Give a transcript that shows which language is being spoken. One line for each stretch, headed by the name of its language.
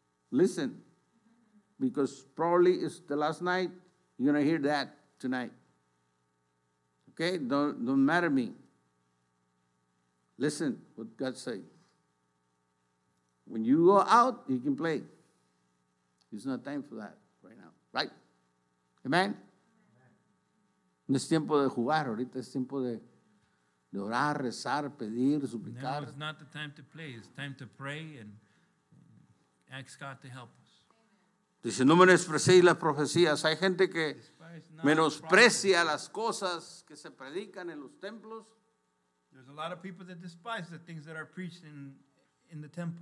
English: Listen, because probably it's the last night you're going to hear that tonight. Okay, don't matter me. Listen what God say. When you go out, you can play. It's not time for that right now, right? Amen?
Spanish: No es tiempo de jugar, ahorita es tiempo de orar, rezar, pedir, suplicar.
English: Now is not the time to play. It's time to pray and ask God to help us.
Spanish: Dice, no menosprecies las profecías. Hay gente que menosprecia las cosas que se predican en los templos.
English: There's a lot of people that despise the things that are preached in the temples.